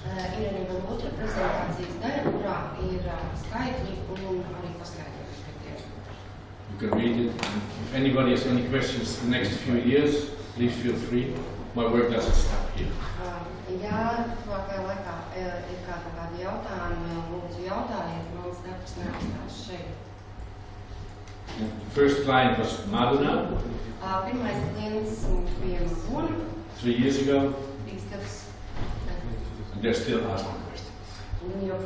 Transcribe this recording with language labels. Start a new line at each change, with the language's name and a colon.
Latvian: Ir arī vēl otra prezentācijas daļa, kurā ir skaitļi un arī paskaidrojumi.
English: You can read it. If anybody has any questions the next few years, please feel free. My work doesn't stop here.
Latvian: Jā, tuvākajā laikā ir kāda kāda jautājuma, lūdzu jautājiet, mans darbs neapstās šeit.
English: The first client was Maduna.
Latvian: Pirmais klients bija Maduna.
English: 3 years ago.
Latvian: Tiks tāds.
English: They're still asking questions.